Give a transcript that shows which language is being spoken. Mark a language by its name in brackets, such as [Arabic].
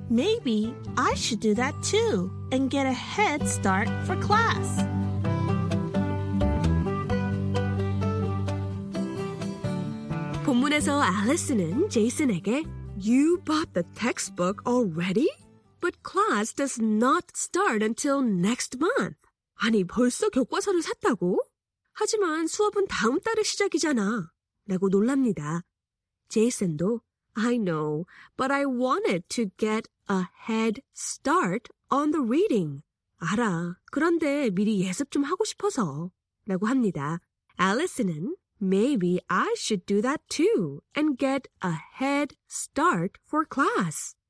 [English] Maybe I should do that too and get a head start for class. [Korean] 본문에서 Alice는 Jason에게 [English] You bought the textbook already? But class does not start until next month. [Korean] 아니, 벌써 교과서를 샀다고? 하지만 수업은 다음 달에 시작이잖아. 라고 놀랍니다. [English] Jason도 I know, but I wanted to get a head start on the reading. [Korean] 알아, 그런데 미리 예습 좀 하고 싶어서. 라고 합니다. [English] Alice는 Maybe I should do that too and get a head start for class.